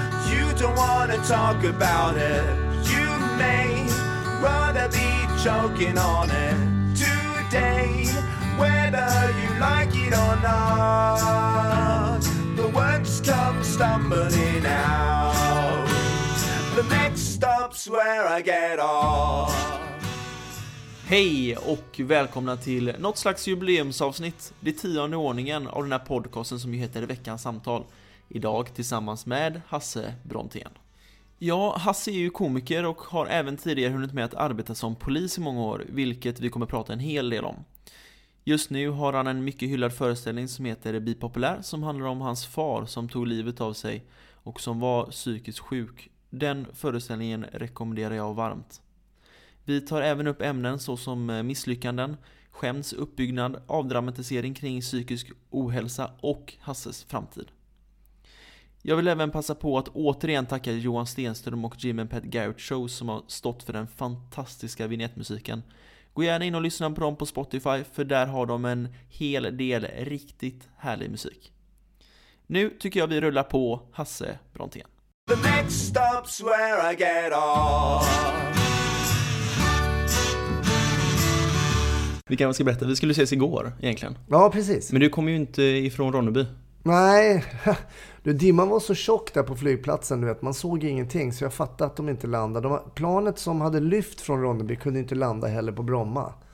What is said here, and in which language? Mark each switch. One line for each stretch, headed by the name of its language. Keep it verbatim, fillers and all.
English: You don't want to talk about it. You may rather be choking on it today, whether you like it or not. The words come stumbling out. The next stop's where I get off.
Swedish: Hej och välkomna till något slags jubileumsavsnitt, det tionde ordningen av den här podcasten som ju heter Veckans samtal. Idag tillsammans med Hasse Brontén. Ja, Hasse är ju komiker och har även tidigare hunnit med att arbeta som polis i många år, vilket vi kommer prata en hel del om. Just nu har han en mycket hyllad föreställning som heter Bipopulär, som handlar om hans far som tog livet av sig och som var psykiskt sjuk. Den föreställningen rekommenderar jag varmt. Vi tar även upp ämnen såsom misslyckanden, skäms, uppbyggnad, avdramatisering kring psykisk ohälsa och Hasses framtid. Jag vill även passa på att återigen tacka Johan Stenström och Jim and Pat Garrett Show som har stått för den fantastiska vignettmusiken. Gå gärna in och lyssna på dem på Spotify, för där har de en hel del riktigt härlig musik. Nu tycker jag vi rullar på Hasse Brontén.
English: The next stop's where I get off.
Swedish: Vi kanske ska berätta, vi skulle ses igår egentligen. Ja, precis. Men du kommer ju inte ifrån Ronneby. Nej, du, dimman var så tjock där på flygplatsen, du vet, man såg ingenting, så jag fattade att de inte landade. De, planet som hade lyft från Ronneby kunde inte landa heller på Bromma.